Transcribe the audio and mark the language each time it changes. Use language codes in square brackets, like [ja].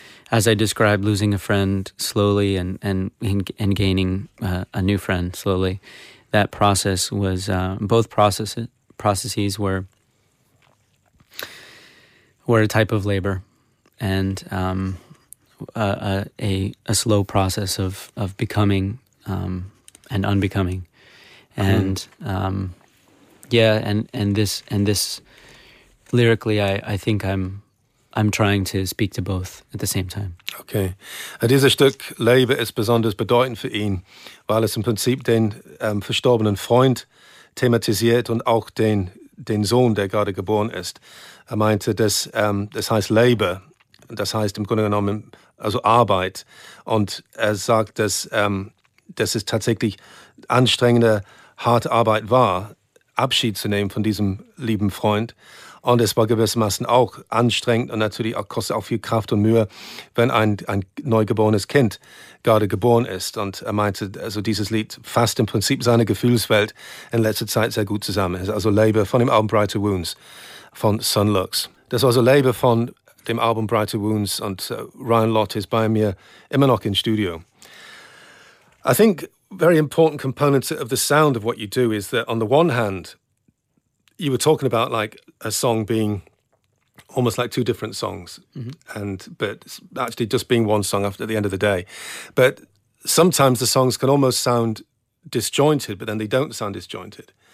[en] as I described losing a friend slowly and gaining a new friend slowly, that process was, both processes were a type of labor, and a slow process of becoming and unbecoming. And this lyrically, I think I'm trying to speak to both at the same time. Okay. [de] Dieses Stück Labor ist besonders bedeutend für ihn, weil es im Prinzip den verstorbenen Freund thematisiert und auch den Sohn, der gerade geboren ist. Er meinte, dass das heißt Labor, das heißt im Grunde genommen also Arbeit, und er sagt, dass das ist tatsächlich anstrengende, harte Arbeit war, Abschied zu nehmen von diesem lieben Freund. Und es war gewissermaßen auch anstrengend und natürlich auch, kostet auch viel Kraft und Mühe, wenn ein neugeborenes Kind gerade geboren ist. Und er meinte, also dieses Lied fasst im Prinzip seine Gefühlswelt in letzter Zeit sehr gut zusammen. Also Labor von dem Album Brighter Wounds von Sunlux. Das war also Labor von dem Album Brighter Wounds, und Ryan Lott ist bei mir immer noch im Studio. [en] I think very important components of the sound of what you do is that on the one hand, you were talking about like a song being almost like two different songs, mm-hmm. But actually just being one song after the end of the day. But sometimes the songs can almost sound disjointed, but then they don't sound disjointed.